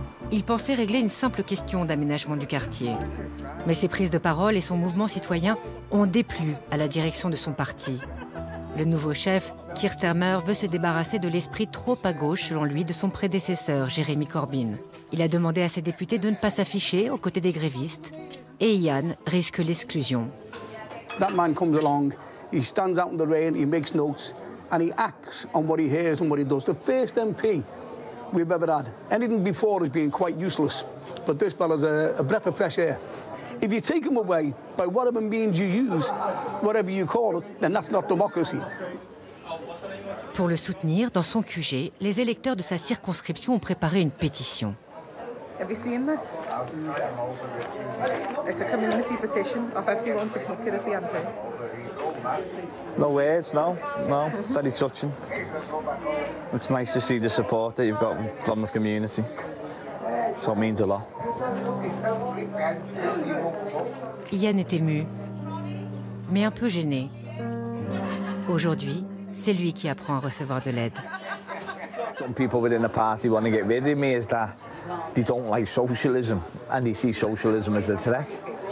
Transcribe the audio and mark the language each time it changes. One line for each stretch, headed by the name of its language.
French: Il pensait régler une simple question d'aménagement du quartier. Mais ses prises de parole et son mouvement citoyen ont déplu à la direction de son parti. Le nouveau chef, Keir Starmer, veut se débarrasser de l'esprit trop à gauche, selon lui, de son prédécesseur, Jeremy Corbyn. Il a demandé à ses députés de ne pas s'afficher aux côtés des grévistes. Et Ian risque l'exclusion.
English: That man comes along, he stands out in the rain, he makes notes, and he acts on what he hears and what he does. The first MP we've ever had. Anything before has been quite useless, but this fella's a breath of fresh air. If you take him away by whatever means you use, whatever you call it, then that's not democracy.
French: Pour le soutenir, dans son QG, les électeurs de sa circonscription ont préparé une pétition.
English: Have you seen this? It's a community petition of everyone to keep it as the MP. No words, no, very touching. It's nice to see the support that you've got from the community. So it means a lot.
French: Ian est ému, mais un peu gêné. Aujourd'hui, c'est lui qui apprend à recevoir de l'aide.
English: Some people within the party want to get rid of me is that they don't like socialism and they see socialism as a threat.